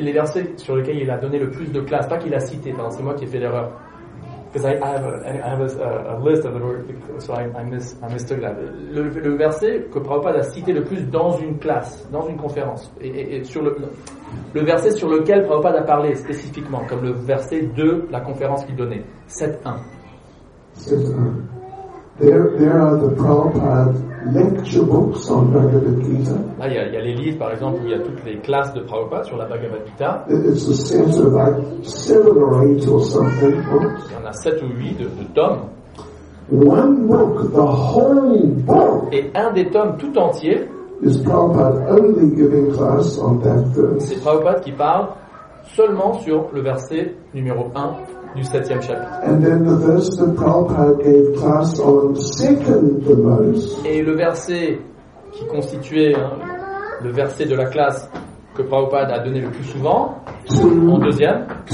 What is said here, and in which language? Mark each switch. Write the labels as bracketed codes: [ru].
[fr] Les versets sur lesquels il a donné le plus de classe, pas qu'il a cité, pardon, c'est moi qui ai fait l'erreur. [en] Because I have a list of the words, so I mistook that. [fr] Le verset que Prabhupada a cité le plus dans une classe, dans une conférence, et sur le verset sur lequel Prabhupada a parlé spécifiquement, comme le verset de la conférence qu'il donnait, 7.1. [en] There are the Prabhupada lecture books on Bhagavad Gita. [fr] Là, il y a les livres, par exemple, où il y a toutes les classes de Prabhupada sur la Bhagavad Gita. [en] It's a set of like 7 or 8 or something books. [fr] Il y en a 7 ou 8 de tomes. [en] One book, the whole book. [fr] Et un des tomes tout entier. [en] Is Prabhupada only giving class on that verse? [fr] C'est Prabhupada qui parle seulement sur le verset numéro 1 du 7e chapitre. [en] And then the verse that Prabhupada gave class on second the most. [fr] Et le verset qui constituait le verset de la classe que Prabhupada a donné le plus souvent, en deuxième,